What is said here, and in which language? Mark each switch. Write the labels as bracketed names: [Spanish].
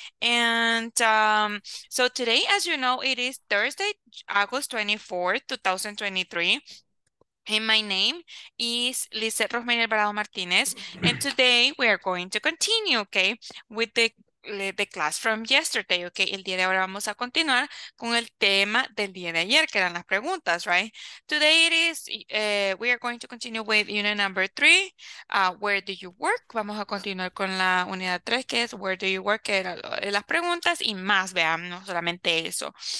[English] And so today, as you know, it is Thursday, August 24th, 2023. And my name is Lizeth Rosemary Alvarado Martinez. And today we are going to continue, okay, with the class from yesterday, okay? [Spanish] El día de ahora vamos a continuar con el tema del día de ayer, que eran las preguntas, right? [English] Today it is, we are going to continue with unit number 3, where do you work? [Spanish] Vamos a continuar con la unidad 3, que es [English] where do you work, [Spanish] que eran las preguntas y más, vean, no solamente eso.